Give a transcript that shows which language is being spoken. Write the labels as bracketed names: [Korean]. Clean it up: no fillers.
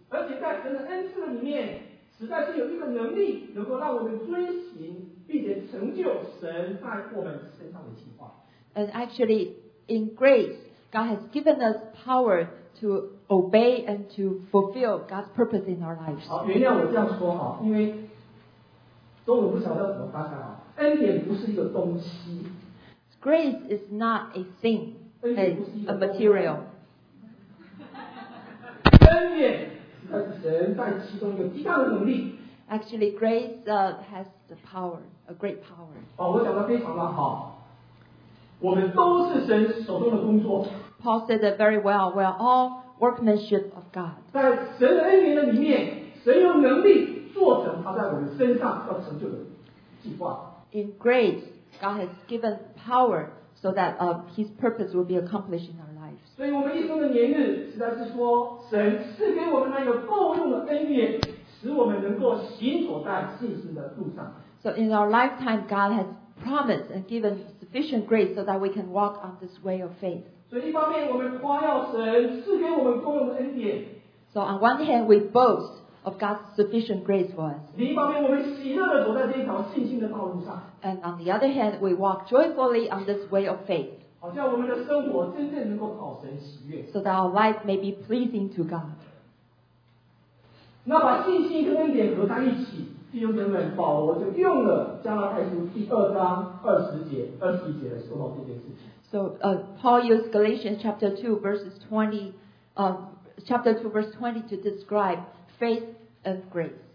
[English] And actually, in grace, God has given us power to obey and to fulfill God's purpose in our lives. [Chinese] 好，原谅我这样说哈，因为中文不晓得怎么翻啊。恩典不是一个东西。 [English] Grace is not a thing. A material. [Chinese] 恩典是神在其中有极大的能力。 [English] Actually, grace has the power, a great power. [Chinese] 哦，我讲的非常的好。我们都是神手中的工作。 [English] Paul said it very well. We are all workmanship of God. [Chinese] 在神的恩典里面，神有能力做成他在我们身上要成就的计划。 [English] In grace, God has given power so that His purpose will be accomplished in our lives. [Chinese] 所以我们一生的年日，实在是说，神赐给我们那有够用的恩典，使我们能够行走在信心的路上。 [English] So in our lifetime, God has promised and given sufficient grace so that we can walk on this way of faith. [Chinese] 所以一方面我们夸耀神赐给我们够用的恩典。 [English] So on one hand we boast of God's sufficient grace for us. [Chinese] 另一方面我们喜乐地走在这条信心的道路上。 [English] And on the other hand we walk joyfully on this way of faith. [Chinese] 好像我们的生活真正能够讨神喜悦。 [English] So that our life may be pleasing to God. [Chinese] 那把信心跟恩典合在一起，弟兄姐妹们，保罗就用了加拉太书第二章二十节、二十一节来说到这件事情。 [English] So Paul used Galatians chapter 2 verses 20 chapter 2 verse 20 to describe faith and grace.